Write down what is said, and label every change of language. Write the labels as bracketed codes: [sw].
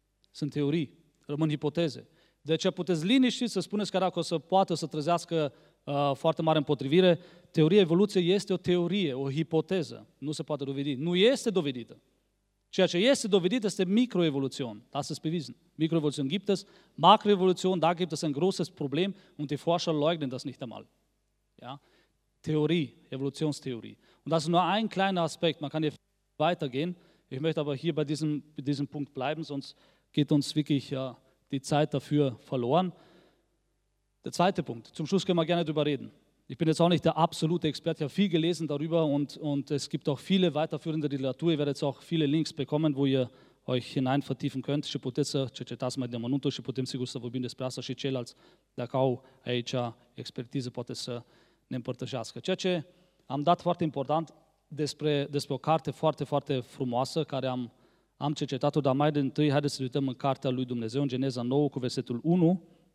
[ro] Sunt teorii, rămân ipoteze. De ce puteți liniști să spuneți că dacă o să poată să trezească foarte mare împotrivire, teoria evoluției este o teorie, o ipoteză. Nu se poate dovedi. Nu este dovedită. Ceea ce este dovedit este microevoluțion. Astăzi pe vizion. [de] Microevoluțion gibt es, macroevoluțion, da, gibt es ein großes Problem und die Forscher leugnen das nicht einmal. Ja? Teorie, Evolutionstheorie. Und das ist nur ein kleiner Aspekt. Man kann hier weitergehen. Ich möchte aber hier bei diesem Punkt bleiben, sonst geht uns wirklich die Zeit dafür verloren. Der zweite Punkt, zum Schluss können wir gerne drüber reden. Ich bin jetzt auch nicht der absolute Experte, ich habe viel gelesen darüber und es gibt auch viele weiterführende Literatur. Ihr werdet jetzt auch viele Links bekommen, wo ihr euch hinein vertiefen könnt. [ro] Și puteți să cercetați mai de mănuntul și putem sigur să vorbim despre asta și ceilalți, dacă au aici expertiză, poate să ne împărtășească. Ceea ce am dat foarte important despre o carte foarte, foarte frumoasă, care am cercetat-o, dar mai de întâi, haideți să uităm în cartea lui Dumnezeu, în Geneza 9, cu versetul 1.